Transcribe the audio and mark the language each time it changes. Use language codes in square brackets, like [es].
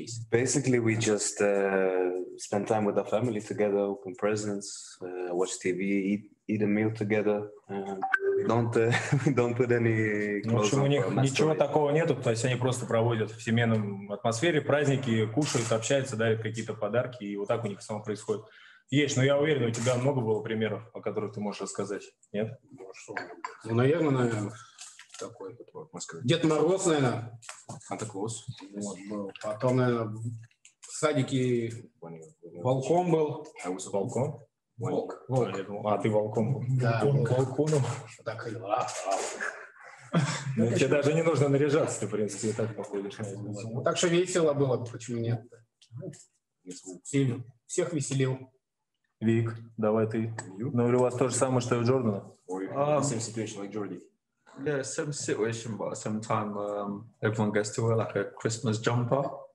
[en] Basically, we just spend time with our family together, open presents, watch TV, eat a meal together. We don't put any clothes. [ru] В общем, у них ничего такого нету, то есть они просто проводят в семейном атмосфере праздники, кушают, общаются, дарят какие-то подарки, и вот так у них само происходит. Есть, но я уверен, у тебя много было примеров, о которых ты можешь рассказать, нет? Ну, наверное. Такой вот в Москве. Дед Мороз, наверное. Санта-Клаус. Вот, был. Потом, наверное, в садике волком был. А вы с волком? Волк. А ты волком был. Да. Волкуном. Так и тебе даже не нужно наряжаться, ты, в принципе, и так походишь. Ну, так что весело было, почему нет? Всех веселил. Вик, давай ты. Ну, или у вас то же самое, что и у Джордана? [en] Same situation, like Jordy. Yeah, same situation, but at the same time, everyone gets to wear like a Christmas jumper.